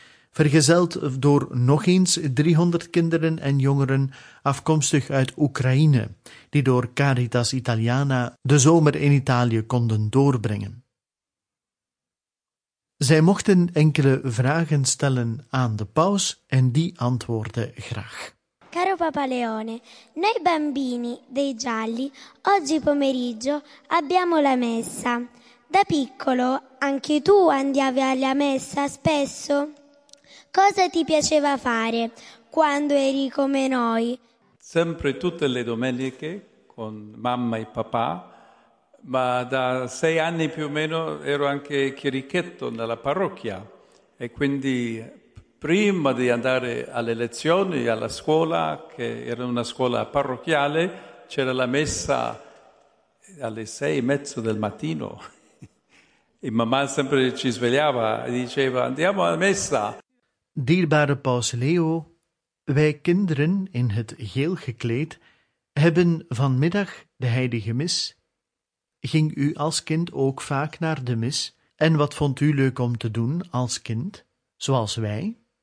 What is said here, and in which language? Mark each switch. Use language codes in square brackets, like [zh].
[nl] Vergezeld door nog eens 300 kinderen en jongeren afkomstig uit Oekraïne, die door Caritas Italiana de zomer in Italië konden doorbrengen. Zij mochten enkele vragen stellen aan de paus en die antwoordde graag. [it] Caro Papa Leone, noi bambini dei gialli oggi pomeriggio abbiamo la messa. Da piccolo anche tu andavi alla messa spesso? Cosa ti piaceva fare quando eri come noi? Sempre tutte le domeniche con mamma e papà. Ma da 6 anni più o meno ero anche chierichetto nella parrocchia e quindi prima di andare alle lezioni, alla scuola, che era una scuola parrocchiale, c'era la messa alle 6:30 del mattino e mamma sempre ci svegliava e diceva andiamo alla messa. [nl] Dierbare paus Leo, wij kinderen in het geel gekleed hebben vanmiddag de heilige mis. Ging u als kind ook vaak naar de mis? En wat vond u leuk om te doen als kind, zoals wij?